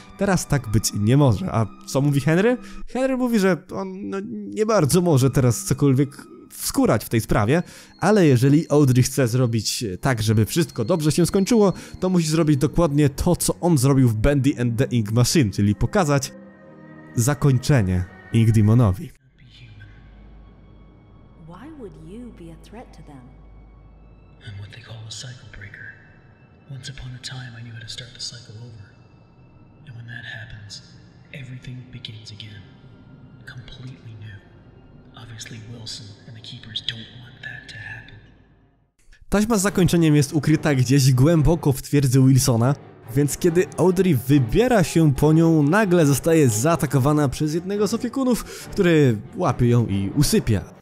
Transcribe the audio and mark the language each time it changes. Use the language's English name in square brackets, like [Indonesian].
[Polish] Teraz tak być nie może. A co mówi Henry? Henry mówi, że on nie bardzo może teraz cokolwiek wskórać w tej sprawie, ale jeżeli Audrey chce zrobić tak, żeby wszystko dobrze się skończyło, to musi zrobić dokładnie to, co on zrobił w Bendy and the Ink Machine, czyli pokazać zakończenie Ink Demonowi. [English] Why would you be a threat to them? I'm what they call a cycle breaker. Once upon a time I knew how to start the cycle over. And when that happens, everything begins again. Completely new. Obviously Wilson and the Keepers don't want that to happen. [Polish] Taśma z zakończeniem jest ukryta gdzieś głęboko w twierdzy Wilsona, więc kiedy Audrey wybiera się po nią, nagle zostaje zaatakowana przez jednego z opiekunów, który łapie ją i usypia.